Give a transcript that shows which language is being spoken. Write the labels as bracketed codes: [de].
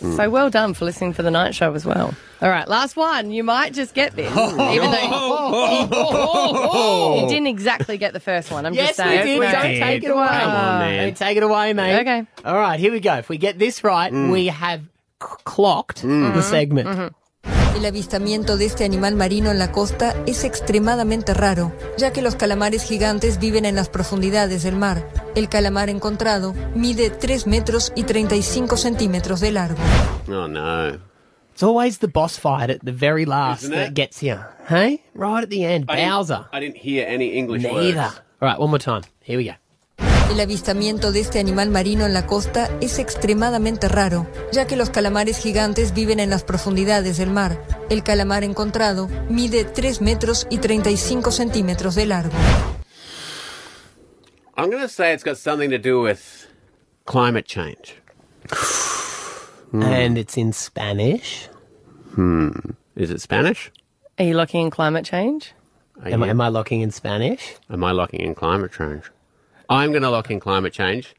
[en] Mm. So well done for listening for the night show as well. All right, last one. You might just get this. Even though you didn't exactly get the first one. I'm just saying. Yes, we did. Don't take it away. Come on, man. Take it away, mate. Okay. All right, here we go. If we get this right, we have clocked the segment. Mm-hmm. [es] El avistamiento de este animal marino en la costa es extremadamente raro, ya que los calamares gigantes viven en las profundidades del mar. El calamar encontrado mide 3 metros y 35 centímetros de largo. [en] Oh, no. It's always the boss fight at the very last that gets you. Hey? Right at the end. Bowser. I didn't hear any English Neither. Words. Neither. All right, one more time. Here we go. [es] El avistamiento de este animal marino en la costa es extremadamente raro, ya que los calamares gigantes viven en las profundidades del mar. El calamar encontrado mide 3 metros y 35 centímetros de largo. [en] I'm going to say it's got something to do with climate change. And it's in Spanish. Is it Spanish? Are you locking in climate change? Am I locking in Spanish? Am I locking in climate change? I'm going to lock in climate change.